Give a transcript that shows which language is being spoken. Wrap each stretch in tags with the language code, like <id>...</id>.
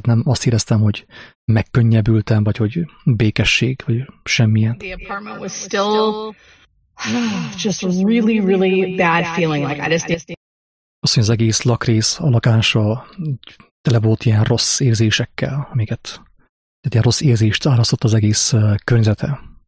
<hu>Tehát nem azt éreztem, hogy megkönnyebbültem, vagy hogy békesség, vagy semmilyen.</hu> <en>The apartment was still just really, really bad feeling. Like I just</en> <hu>azt mondja, az egész lakrész, a lakása tele volt ilyen rossz érzésekkel, amiket, tehát ilyen rossz érzést árasztott az egész környezete.</hu>